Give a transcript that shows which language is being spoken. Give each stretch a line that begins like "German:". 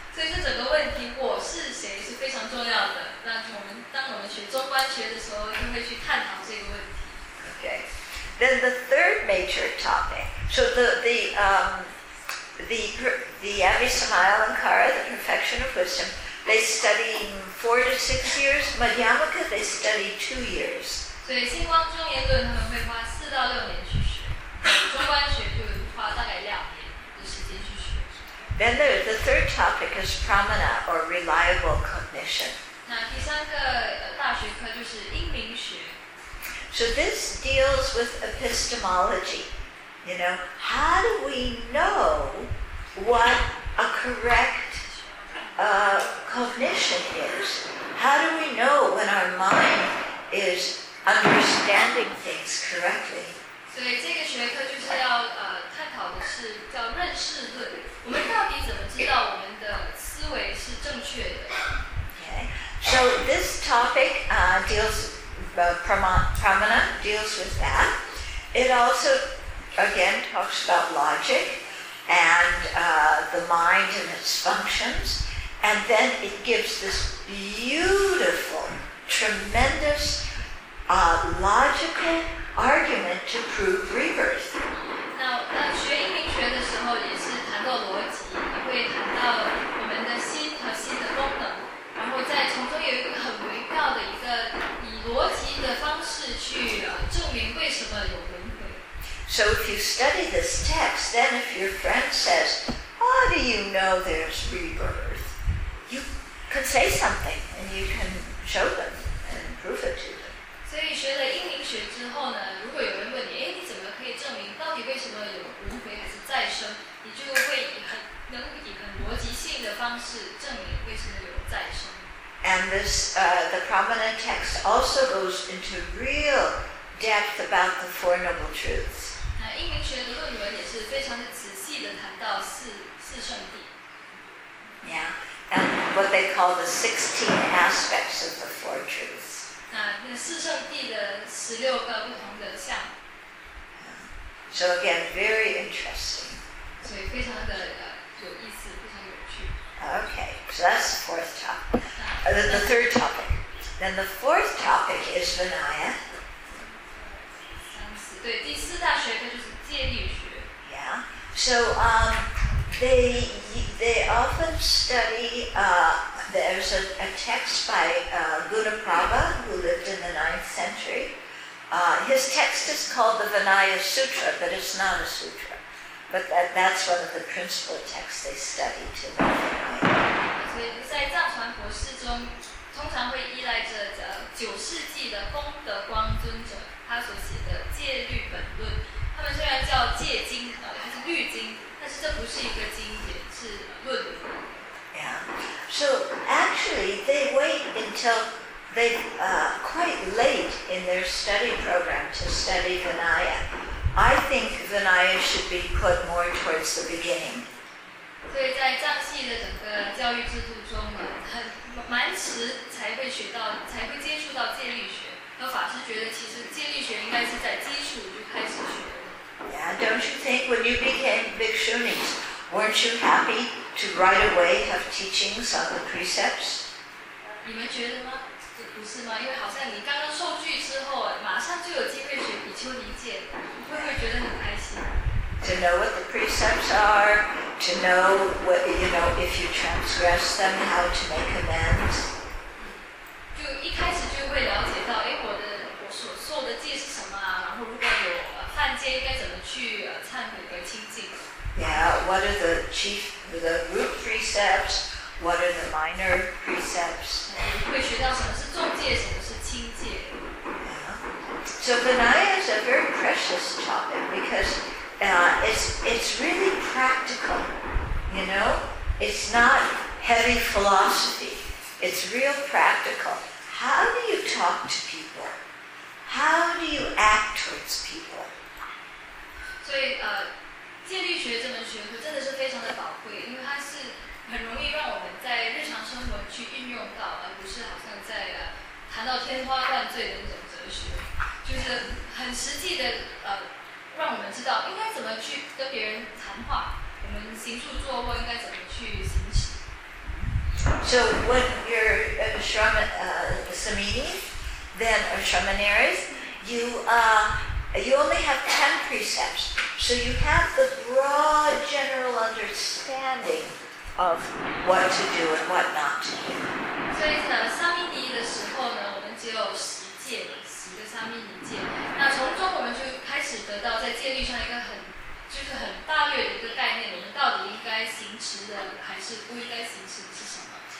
Chinese: 所以这整个问题，我是谁是非常重要的。那我们当我们学中观学的时候，就会去探讨这个问题。
English: Okay. Then the third major topic. So the Abhisamaya Alankara, the perfection of wisdom, they study 4 to 6 years. Madhyamaka, they study 2 years.
Chinese: 所以星光庄严论他们会花4到6年去学，中观学就花大概2年的时间去学。
English: Then the third topic is pramana or reliable cognition.
Chinese: 那第三个大学科就是英明学。
English: So this deals with epistemology. You know, how do we know what a correct cognition is? How do we know when our mind is understanding things correctly?
Chinese: 所以这个学科就是要探讨的是叫认识论。我们到底怎么知道我们的思维是正确的？
English: Okay. So this topic deals Pramana deals with that. It also, again, talks about logic and the mind and its functions. And then it gives this beautiful, tremendous logical argument to prove rebirth. Now,
Chinese: 那学英明学的时候也是谈到逻辑，也会谈到我们的心和心的功能，然后在从中有一个很微妙的一个以逻辑的方式去证明为什么有轮回。
English: So if you study this text, then if your friend says, "How do you know there's rebirth?" you could say something, and you can show them and prove it to them.
Chinese: 所以学了英明学之后呢，如果有人问你，哎，你怎么可以证明到底为什么有轮回还是再生？你就会能以很逻辑性的方式证明为什么有再生。
English: And this, the Pramana text also goes into real depth about the Four Noble Truths.
Chinese: 那英明学的论文也是非常的仔细的谈到四圣谛。
English: Yeah, and what they call the 16 aspects of the Four Truths.
Chinese: 那四圣谛的16个不同的相。
English: So again, very interesting.
Chinese: 所以非常的有意思，非常有趣。
English: Okay, so that's the fourth topic. The third topic. Then the fourth topic is Vinaya.
Chinese: 对，第四大学科就是戒律学。
English: Yeah. So they often study. There's a text by Gudaprabha who lived in the 9th century. His text is called the Vinaya Sutra, but it's not a sutra. But that's one of the principal texts they study to the Vinaya.
Chinese: 在藏传佛寺中，通常会依赖着9世纪的功德光尊者他所写的《戒律本论》。他们虽然叫戒经，还是律经，但是这不是一个经典，是论文。
English: Yeah. So actually, they wait until they quite late in their study program to study Vinaya. I think Vinaya should be put more towards the beginning.
Chinese: 所以在藏系的整个教育制度中呢，很蛮迟才会学到，才会接触到戒律学。那法师觉得，其实戒律学应该是在基础就开始学的。
English: Yeah, don't you think when you became Bhikshunis, weren't you happy to right away have teachings on the precepts?
Chinese: 你们觉得吗？这不是吗？因为好像你刚刚受具之后，马上就有机会学比丘尼戒，你会不会觉得很开心？
English: To know what the precepts are, to know what, you know, if you transgress them, how to make amends.
Chinese: 就一开始就会了解到，哎，我所受的戒是什么啊？然后如果有犯戒，应该怎么去忏悔和清净
English: ？Yeah, what are the chief, the root precepts? What are the minor precepts?
Chinese: 会学到什么是重戒，什么是轻戒。
English: So Vinaya is a very precious topic because. It's really practical, you know? It's not heavy philosophy. It's real practical. How do you talk to people? How do you act towards people?
Chinese: 所以戒律学这门学科真的是非常的宝贵，因为它是很容易让我们在日常生活去运用到，而不是好像在谈到天花乱坠的那种哲学，就是很实际的让我们知道应该怎么去跟别人谈谈话，我们行住坐卧应该怎么去行持。
English: So when you're Shramanis, then or Shramanaris, you only have 10 precepts. So you have the broad general understanding of what to do and what not to do.
Chinese: 所以呢，沙弥尼的时候呢，我们只有十个沙弥尼戒。那从中我们就开始得到在戒律上一个很就是很大略的一个概念，我们到底应该行持的还是不应该行持的是什么。